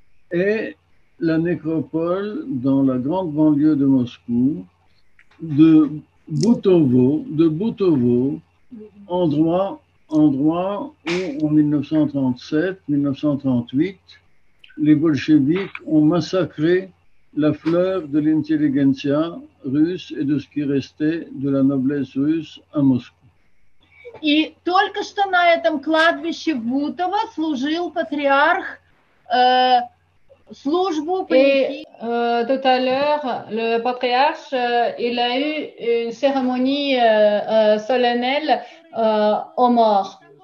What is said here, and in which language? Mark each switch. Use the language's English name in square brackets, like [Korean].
[French] est la nécropole dans la grande banlieue de Moscou, de Butovo, endroit où, en 1937-1938, les bolcheviks ont massacré la fleur de l'intelligentsia russe et de ce qui restait de la noblesse russe à Moscou. Et [Russian] только что на этом кладбище Бутово служил патриарх службу. [French] Et tout à l'heure, le patriarche, il a eu une cérémonie solennelle aux morts.